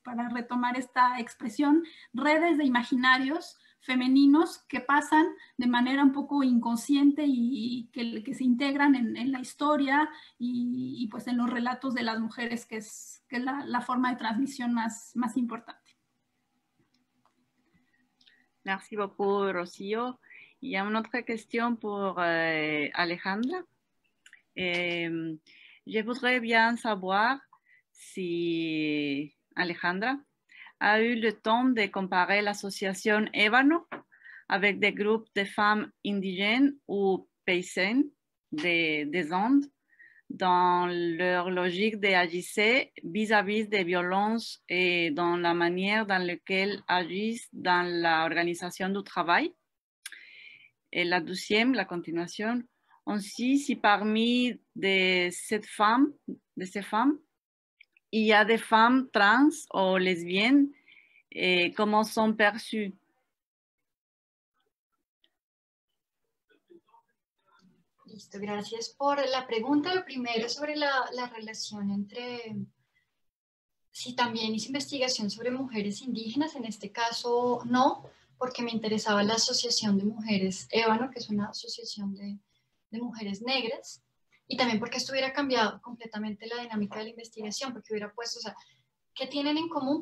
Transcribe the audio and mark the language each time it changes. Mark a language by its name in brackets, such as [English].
[Spanish] retomar esta expresión, redes de imaginarios femeninos que pasan de manera un poco inconsciente y que se integran en la historia y pues en los relatos de las mujeres, que es la forma de transmisión más importante. [French] Merci beaucoup, Rocío. Il y a une autre question pour Alejandra. Je voudrais bien savoir si Alejandra a eu le temps de comparer l'association Ébano avec des groupes de femmes indigènes ou paysannes des Andes dans leur logique d'agir vis-à-vis des violences et dans la manière dans laquelle agissent dans l'organisation du travail. Et la deuxième, la continuation, aussi si parmi ces femmes, il y a des femmes trans ou lesbiennes, et comment sont perçues? [Spanish] Listo, gracias por la pregunta. Lo primero sobre la relación entre, si también hice investigación sobre mujeres indígenas, en este caso no, porque me interesaba la Asociación de Mujeres Ébano, que es una asociación de mujeres negras, y también porque esto hubiera cambiado completamente la dinámica de la investigación, porque hubiera puesto, o sea, ¿qué tienen en común?